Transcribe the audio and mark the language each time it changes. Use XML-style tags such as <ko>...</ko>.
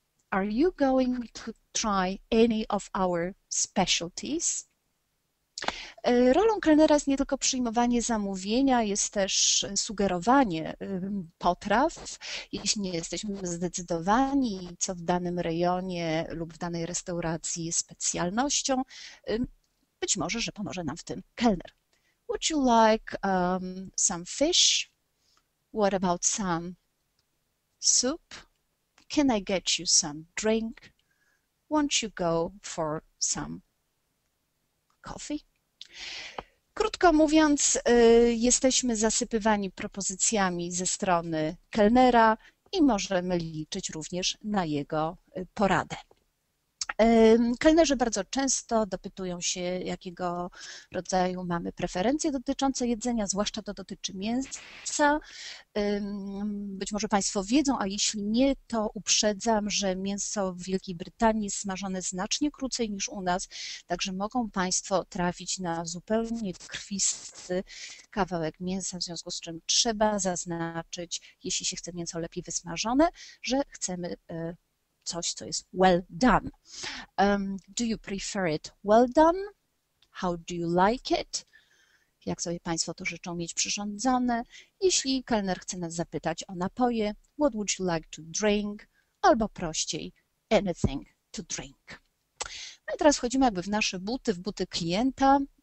<en>Are you going to try any of our specialties?</en> <pl>Rolą kelnera jest nie tylko przyjmowanie zamówienia, jest też sugerowanie potraw. Jeśli nie jesteśmy zdecydowani, co w danym rejonie lub w danej restauracji jest specjalnością, być może, że pomoże nam w tym kelner.</pl> <en>Would you like some fish? What about some soup? Can I get you some drink? Won't you go for some coffee?</en> <pl>Krótko mówiąc, jesteśmy zasypywani propozycjami ze strony kelnera i możemy liczyć również na jego poradę. Kelnerzy bardzo często dopytują się, jakiego rodzaju mamy preferencje dotyczące jedzenia, zwłaszcza to dotyczy mięsa. Być może Państwo wiedzą, a jeśli nie, to uprzedzam, że mięso w Wielkiej Brytanii jest smażone znacznie krócej niż u nas, także mogą Państwo trafić na zupełnie krwisty kawałek mięsa, w związku z czym trzeba zaznaczyć, jeśli się chce mięso lepiej wysmażone, że chcemy coś, co jest well done.</pl> <en>Do you prefer it well done? How do you like it?</en> <pl>Jak sobie Państwo to życzą mieć przyrządzone? Jeśli kelner chce nas zapytać o napoje,</pl> <en>what would you like to drink?</en> <pl>Albo prościej,</pl> <en>anything to drink.</en> <pl>No i teraz wchodzimy jakby w nasze buty, w buty klienta.</pl>